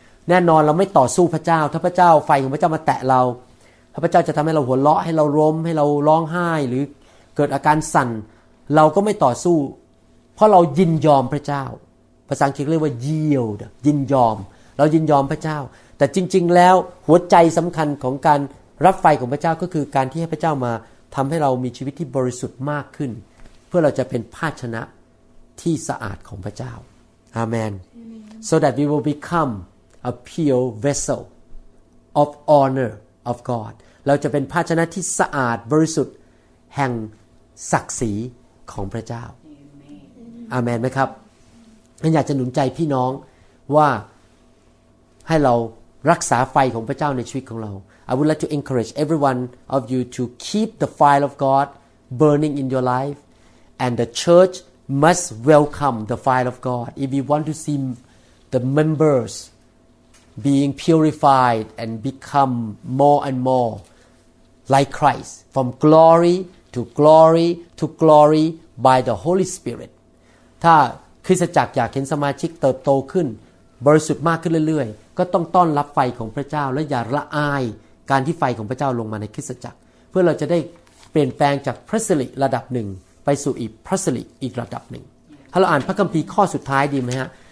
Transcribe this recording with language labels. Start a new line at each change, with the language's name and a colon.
Thai: แน่นอนเราไม่ต่อสู้พระเจ้าถ้าพระเจ้าไฟของพระเจ้ามาแตะเราพระเจ้าจะทำให้เราหัวเราะให้เราล้มให้เราร้องไห้หรือเกิดอาการสั่นเราก็ไม่ต่อสู้เพราะเรายินยอมพระเจ้าภาษาอังกฤษเรียกว่า yield ยินยอมเรายินยอมพระเจ้าแต่จริงๆแล้วหัวใจสำคัญของการรับไฟของพระเจ้าก็คือการที่ให้พระเจ้ามาทำให้เรามีชีวิตที่บริสุทธิ์มากขึ้นเพื่อเราจะเป็นภาชนะที่สะอาดของพระเจ้าAmen.
English: Amen. So that we will become a pure vessel of honor of God.
Thai: เราจะเป็นภาชนะที่สะอาดบริสุทธิ์แห่งศักดิ์ศรีของพระเจ้า Amen.
English: Amen.
Thai: ครับฉันอยากจะหนุนใจพี่น้องว่าให้เรารักษาไฟของพระเจ้าในชีวิตของเรา
English: I would like to encourage everyone of you to keep the fire of God burning in your life and the churchMust welcome the fire of God if we want to see the members being purified and become more and more like Christ from glory to glory to glory by the Holy Spirit.
Thai: ถ้าคริสตจักรอยากเห็นสมาชิกเติบโตขึ้นบริสุทธิ์มากขึ้นเรื่อยๆก็ต้องต้อนรับไฟของพระเจ้าและอย่าละอายการที่ไฟของพระเจ้าลงมาในคริสตจักรเพื่อเราจะได้เปลี่ยนแปลงจากพระสิริระดับหนึ่งไปสู่อีกพระสิริอีกระดับหนึ่งถ้าเราอ่านพระคัมภีร์ข้อสุดท้ายดีไหมฮะ